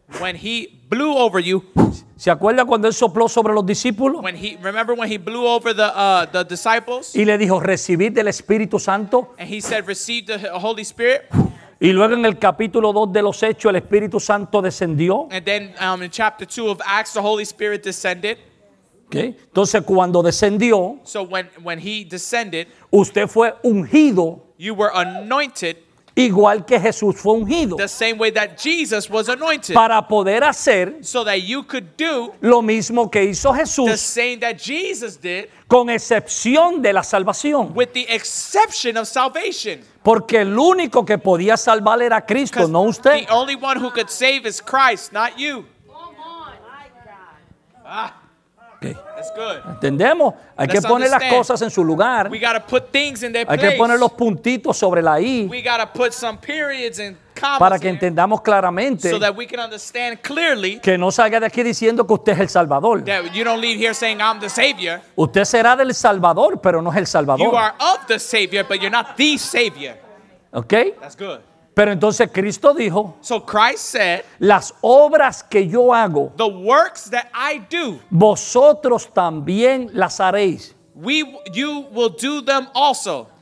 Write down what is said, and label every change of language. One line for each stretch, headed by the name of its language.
English: when he blew over you.
Spanish: ¿Se acuerda cuando él sopló sobre los discípulos?
English: Remember when he blew over the disciples?
Spanish: Y le dijo, recibid del Espíritu Santo.
English: And he said, receive the Holy Spirit.
Spanish: Y luego en el capítulo 2 de los Hechos, el Espíritu Santo descendió.
English: And then in chapter 2 of Acts, the Holy Spirit descended.
Spanish: Okay. Entonces cuando descendió.
English: So when he descended.
Spanish: Usted fue ungido.
English: You were anointed.
Spanish: Igual que Jesús fue ungido.
English: The same way that Jesus was anointed.
Spanish: Para poder hacer.
English: So that you could do.
Spanish: Lo mismo que hizo Jesús.
English: The same that Jesus did.
Spanish: Con excepción de la salvación.
English: With the exception of salvation.
Spanish: Porque el único que podía salvar era Cristo, no usted.
English: The only one who could save is Christ, not you. Come on, my God. Okay. That's good.
Spanish: ¿Entendemos? Hay
English: Let's
Spanish: que poner
English: understand.
Spanish: Las cosas en su lugar.
English: We gotta put things in their place.
Spanish: Hay que poner los puntitos sobre la I.
English: We gotta put some periods and commas
Spanish: para que entendamos claramente.
English: So that we can understand clearly.
Spanish: Que no salga de aquí diciendo que usted es el Salvador.
English: That you don't leave here saying I'm the Savior.
Spanish: Usted será del Salvador, pero no es el Salvador.
English: You are of the Savior, but you're not the Savior. Okay. That's good.
Spanish: Pero entonces Cristo dijo,
English: so Christ said,
Spanish: las obras que yo hago,
English: the works that I do,
Spanish: vosotros también las haréis.
English: You will do them also.